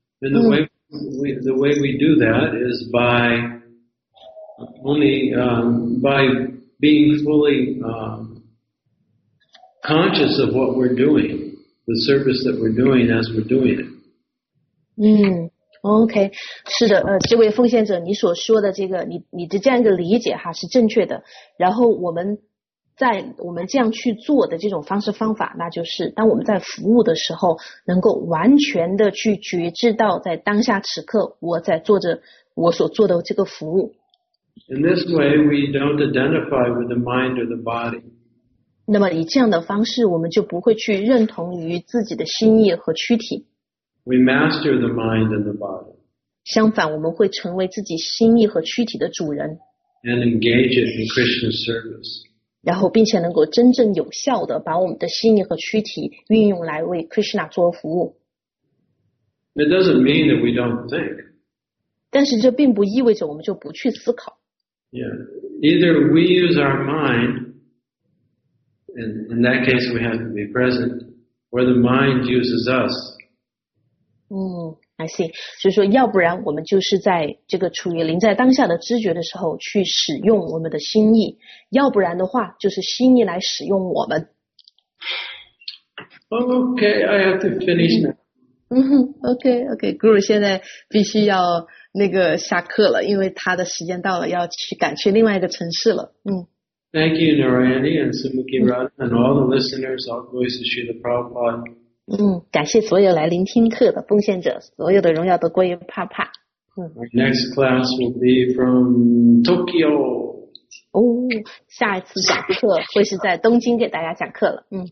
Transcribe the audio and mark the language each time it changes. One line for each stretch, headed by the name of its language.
English: And the way we do that is by only, by being fully, conscious of what we're doing, the service that we're doing as we're doing it.
Chinese: OK, 是的，这位奉献者，你所说的这个，你的这样一个理解哈是正确的。然后我们这样去做的这种方式方法，那就是当我们在服务的时候，能够完全的去觉知到在当下此刻，我在做着我所做的这个服务。
English: In this way, we don't identify with the mind or the body.
Chinese: 那么以这样的方式，我们就不会去认同于自己的心意和躯体。
English: We master the mind and the body.
Chinese: 相反，我们会成为自己心意和躯体的主人。
English: And engage it in Krishna's service.
Chinese: 然后，并且能够真正有效的把我们的心意和躯体运用来为 Krishna 做服务。
English: It doesn't mean that we don't think.
Chinese: 但是这并不意味着我们就不去思考。
English: Yeah, either we use our mind, and in that case we have to be present, or the mind uses us. I see.
Chinese: 所以说要不然我们就是在这个处于临在当下的知觉的时候去使用我们的心意，要不然的话就是心意来使用我们。
English: Okay, I have to finish now.
Chinese: Okay, Guru 现在必须要那个下课了，因为他的时间到了，要去赶去另外一个城市了。
English: Thank you, Narayani and Sumukhi Radha and all the listeners, all voices of Srila Prabhupada.
Chinese: 感谢所有来聆听课的奉献者，所有的荣耀都归于帕帕。
English: Next class will be from Tokyo.
Chinese: 下一次讲课会是在东京给大家讲课了。